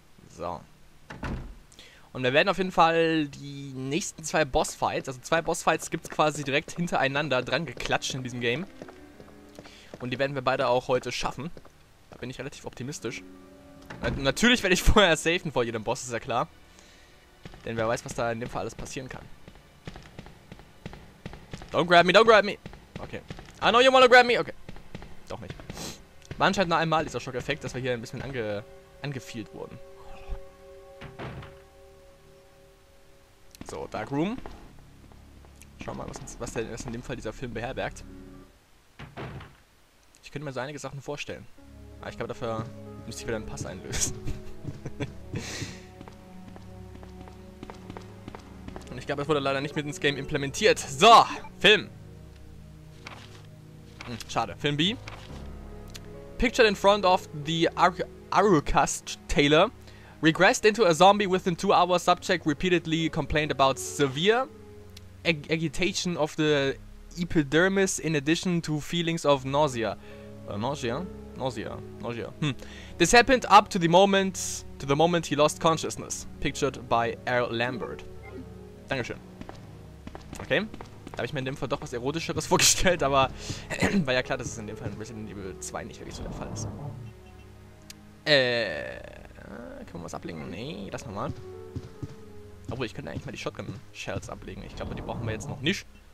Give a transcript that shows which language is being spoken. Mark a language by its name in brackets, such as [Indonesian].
[German] So. Und wir werden auf jeden Fall die nächsten zwei Bossfights, also zwei Bossfights gibt es quasi direkt hintereinander dran geklatscht in diesem Game. Und die werden wir beide auch heute schaffen. Da bin ich relativ optimistisch. Natürlich werde ich vorher safen vor jedem Boss, ist ja klar. Denn wer weiß, was da in dem Fall alles passieren kann. [English] Don't grab me, don't grab me. Okay. I know you wanna grab me. [German] Okay. Doch nicht. War anscheinend nur einmal dieser Schockeffekt, dass wir hier ein bisschen angefeelt wurden. So, Dark Room. Schauen wir mal, was in dem Fall dieser Film beherbergt. Ich könnte mir so einige Sachen vorstellen. Aber ich glaube, dafür müsste ich wieder einen Pass einlösen. Und ich glaube, das wurde leider nicht mit ins Game implementiert. So, Film. Schade. Film B. [English] Pictured in front of the Arucast Taylor, Regressed into a zombie within 2 hours, subject repeatedly complained about severe agitation of the epidermis in addition to feelings of nausea. Nausea. Hmm. This happened up to the moment he lost consciousness. Pictured by Al Lambert. [German] Dankeschön. [English] Okay. [German] Da habe ich mir in dem Fall doch was Erotischeres vorgestellt, aber war ja klar, dass es in dem Fall in Resident Evil 2 nicht wirklich so der Fall ist. Können wir was ablegen? Nee, lass nochmal. Obwohl, ich könnte eigentlich mal die Shotgun-Shells ablegen. Ich glaube, die brauchen wir jetzt noch nicht.